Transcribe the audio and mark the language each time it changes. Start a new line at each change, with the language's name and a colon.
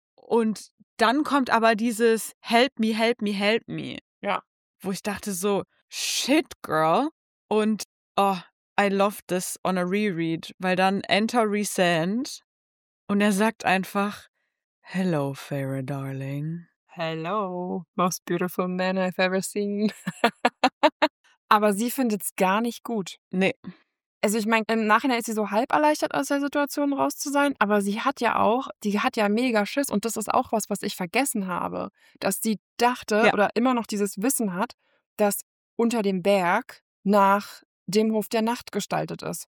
German: Und dann kommt aber dieses
English: Help me, help me, help me.
German: Ja. Wo ich dachte so,
English: shit, girl. Und, oh, I love this on a reread.
German: Weil dann enter Resand und er sagt einfach,
English: hello, Farrah, darling. Hello, most beautiful man I've ever seen.
German: Aber sie findet es gar nicht gut. Nee. Also ich meine, im Nachhinein ist sie so halb erleichtert, aus der Situation raus zu sein. Aber sie hat ja auch, die hat ja mega Schiss. Und das ist auch was, was ich vergessen habe. Dass sie dachte oder immer noch dieses Wissen hat, dass unter dem Berg nach dem Hof der Nacht gestaltet ist.